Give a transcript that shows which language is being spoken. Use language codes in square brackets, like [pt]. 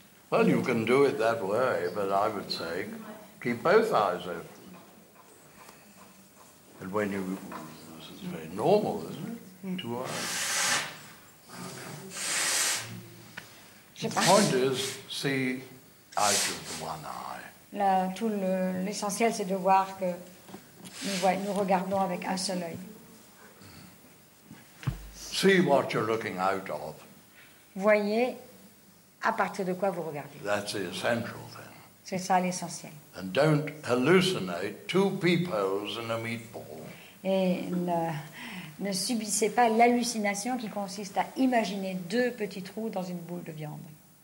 [en] Well, you can do it that way, but I would say... keep both eyes open. And when you... this is very normal, isn't it? Mm. Two eyes. The point is, see out of the one eye. [fr] Là, tout l'essentiel, c'est de voir que nous regardons avec un seul œil. [en] See what you're looking out of. [fr] Voyez à partir de quoi vous regardez. [en] That's the essential thing. [fr] C'est ça l'essentiel. [en] And don't hallucinate two peepholes in a meatball. [fr] Et ne subissez pas l'hallucination qui consiste à imaginer deux petits trous dans une boule de viande.